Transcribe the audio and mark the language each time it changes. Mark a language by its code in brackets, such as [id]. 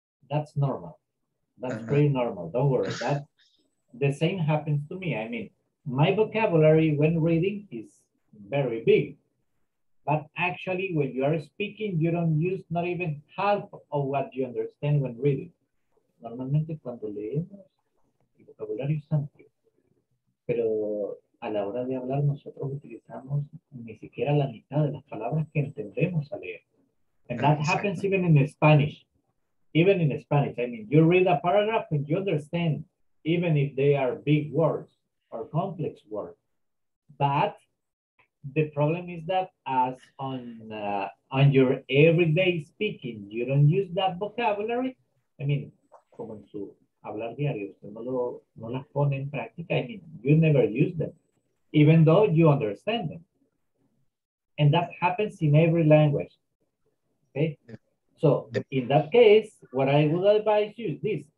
[en] That's normal. That's pretty normal. Don't worry. That the same happens to me. I mean, my vocabulary when reading is very big. But actually, when you are speaking, you don't use not even half of what you understand when reading. [es] Normalmente, cuando leemos, el vocabulario es amplio. Pero a la hora de hablar, nosotros utilizamos ni siquiera la mitad de las palabras que entendemos al leer. [en] And that happens even in Spanish. Even in Spanish, I mean, you read a paragraph and you understand, even if they are big words or complex words. But the problem is that as on your everyday speaking, you don't use that vocabulary. I mean, [es] como en su hablar diario, usted no las pone en práctica. [en] I mean, you never use them, even though you understand them. And that happens in every language, okay? So in that case, what I would advise you is this.